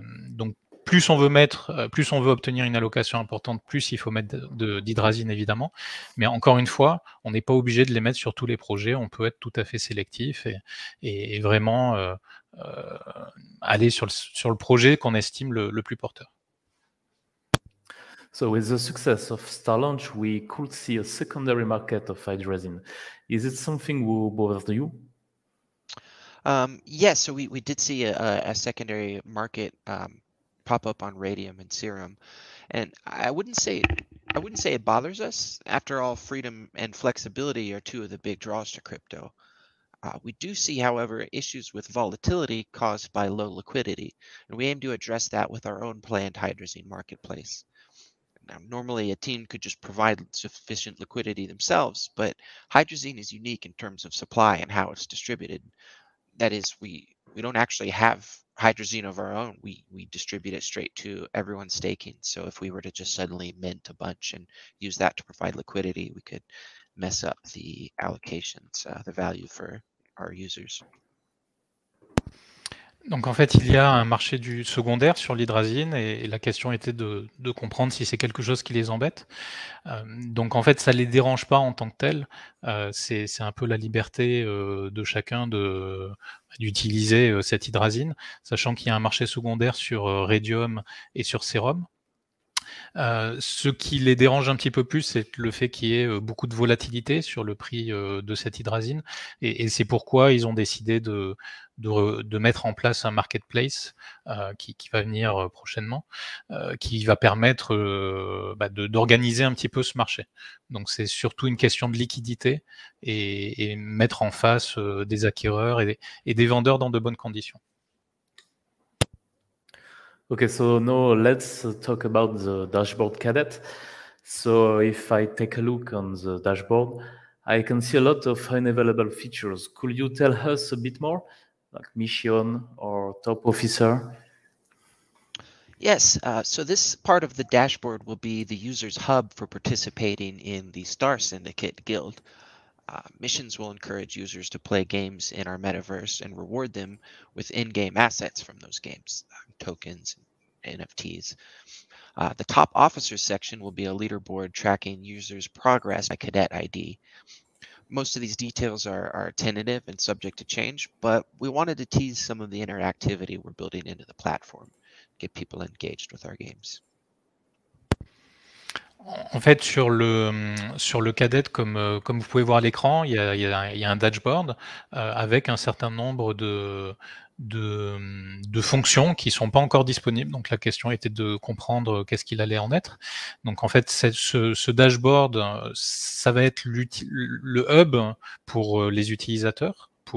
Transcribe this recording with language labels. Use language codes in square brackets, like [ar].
[fr] Donc, plus on veut obtenir une allocation importante, plus il faut mettre d'hydrazine, évidemment. Mais encore une fois, on n'est pas obligé de les mettre sur tous les projets. On peut être tout à fait sélectif et vraiment aller sur le projet qu'on estime le plus porteur. [en] So with the success of Starlaunch, we could see a secondary market of Hydrazine. Is it something who bothers you? Yes, so we did see a secondary market pop up on Radium and Serum. And I wouldn't say it bothers us. After all, freedom and flexibility are two of the big draws to crypto. We do see, however, issues with volatility caused by low liquidity. And we aim to address that with our own planned Hydrazine marketplace. Now, normally a team could just provide sufficient liquidity themselves, but Hydrazine is unique in terms of supply and how it's distributed. That is, we don't actually have Hydrazine of our own. We distribute it straight to everyone staking. So if we were to just suddenly mint a bunch and use that to provide liquidity, we could mess up the allocations, the value for our users. [fr] Donc en fait, il y a un marché du secondaire sur l'hydrazine et la question était de comprendre si c'est quelque chose qui les embête. Donc en fait, ça les dérange pas en tant que tel. C'est un peu la liberté de chacun d'utiliser cette hydrazine, sachant qu'il y a un marché secondaire sur Radium et sur Serum. Ce qui les dérange un petit peu plus, c'est le fait qu'il y ait beaucoup de volatilité sur le prix de cette hydrazine et c'est pourquoi ils ont décidé de mettre en place un marketplace qui va venir prochainement, qui va permettre d'organiser un petit peu ce marché. Donc c'est surtout une question de liquidité et mettre en face des acquéreurs et des vendeurs dans de bonnes conditions. [en] Okay, so now let's talk about the dashboard Cadet. So if I take a look on the dashboard, I can see a lot of unavailable features. Could you tell us a bit more, like mission or top officer? Yes, so this part of the dashboard will be the user's hub for participating in the Star Syndicate Guild. Missions will encourage users to play games in our metaverse and reward them with in-game assets from those games, tokens, NFTs. The top officers section will be a leaderboard tracking users' progress by cadet ID. Most of these details are tentative and subject to change, but we wanted to tease some of the interactivity we're building into the platform, get people engaged with our games. [fr] En fait, sur le cadet, comme vous pouvez voir à l'écran, il y a un dashboard avec un certain nombre de fonctions qui ne sont pas encore disponibles. Donc la question était de comprendre qu'est-ce qu'il allait en être. Donc en fait, ce dashboard, ça va être le hub pour les utilisateurs.